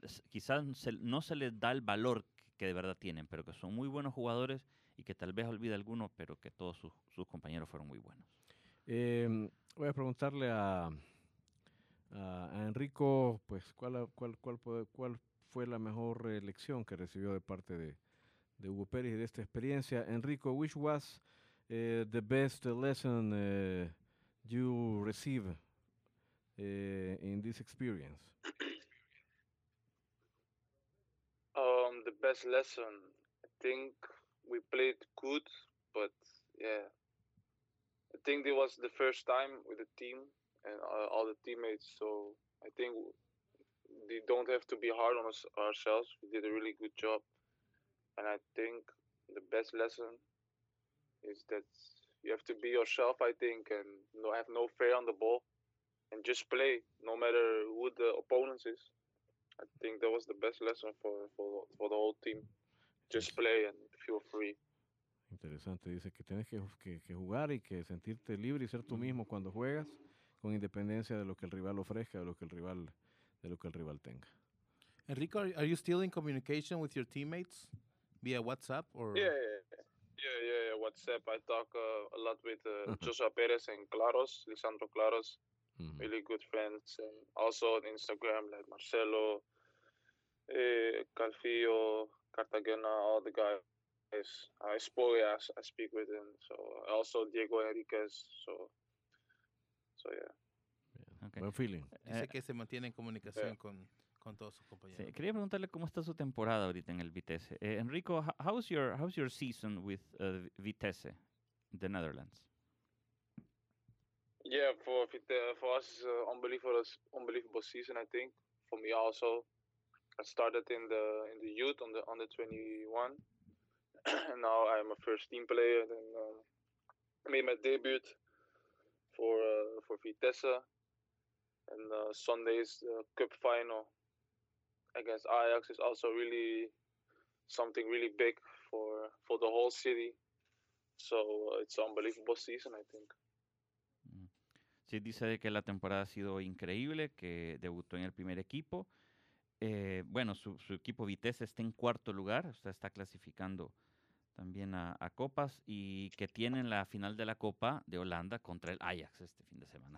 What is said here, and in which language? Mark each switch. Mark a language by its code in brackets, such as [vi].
[es] quizás no se les da el valor que de verdad tienen, pero que son muy buenos jugadores y que tal vez olvide alguno, pero que todos sus compañeros fueron muy buenos. Voy a preguntarle a Enrico, pues, ¿cuál fue la mejor elección que recibió de parte de Hugo Pérez y de esta experiencia? [en] Enrico, which was the best lesson you received in this experience? The best lesson, I think we played good, but yeah, I think it was the first time with the team and all the teammates, so I think we don't have to be hard on ourselves. We did a really good job, and I think the best lesson is that you have to be yourself, I think, and no have no fear on the ball and just play no matter who the opponents is. I think that was the best lesson for the whole team. Just play and feel free. [es] Interesante. Dice que tienes que jugar y que sentirte libre y ser tú mismo cuando juegas, con independencia de lo que el rival ofrezca, de lo que el rival tenga. [en] Enrico, are you still in communication with your teammates via WhatsApp? Or? Yeah. WhatsApp. I talk a lot with Joshua Perez and Claros, Lisandro Claros. Mm-hmm. Really good friends, and also on Instagram, like Marcelo, Calfillo, Cartagena, all the guys. I speak with them. So also Diego Enriquez. So yeah. [es] Okay. [en] Buen feeling. [es] Dice que se mantiene en comunicación con todos sus compañeros. Sí, quería preguntarle cómo está su temporada ahorita en el Vitesse. Enrico, how's your season with Vitesse, the Netherlands? Yeah, for us, unbelievable season, I think. For me also, I started in the youth on the under 21. Now I'm a first team player. Then I made my debut for Vitesse, and Sunday's cup final against Ajax is also really something really big for the whole city. So it's an unbelievable season, I think. Sí, dice que la temporada ha sido increíble, que debutó en el primer equipo. Bueno, su equipo Vitesse está en cuarto lugar, o sea, está clasificando también a Copas, y que tienen la final de la Copa de Holanda contra el Ajax este fin de semana.